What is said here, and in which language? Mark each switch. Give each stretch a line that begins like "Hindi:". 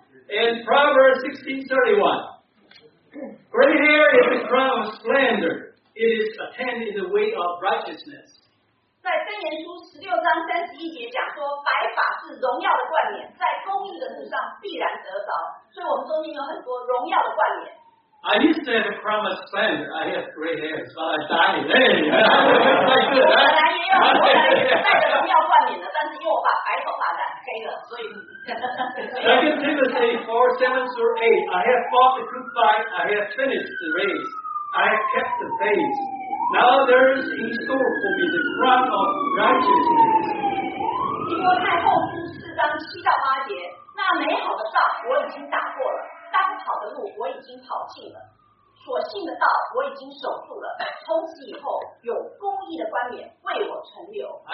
English: In Proverbs 16:31 gray hair is a crown of splendor. It is attained in the way of righteousness.
Chinese: 在箴言书16:31讲说，白发是荣耀的冠冕，在公义的路上必然得着。所以，我们中间有很多荣耀的冠冕。
English: I used to have a crown of splendor. I have gray hairs, but I dye it. Hey,
Chinese: 我本来也有，我本来也戴着荣耀冠冕的，但是因为我把白头发染黑了，所以。
English: 2 Timothy 4:7-8 I have fought the good fight. I have finished the race. I have kept the faith. Now there is in store for me the crown of righteousness.
Chinese: 提摩太后书4:7-8那美好的仗我已经打过了，当跑的路我已经跑尽了，所信的道我已经守住了，从此以后有公义的冠冕为我存留。